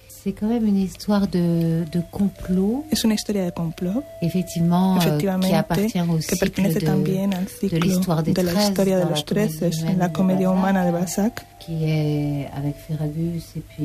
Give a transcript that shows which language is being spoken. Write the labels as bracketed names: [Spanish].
[French] c'est quand même une histoire de complot. [Spanish] Es una historia de complot. [French] Effectivement, [Spanish] efectivamente, que pertenece también al ciclo de la historia de los Trece en la comedia humana de Balzac. [French] Qui est avec Ferragus et puis,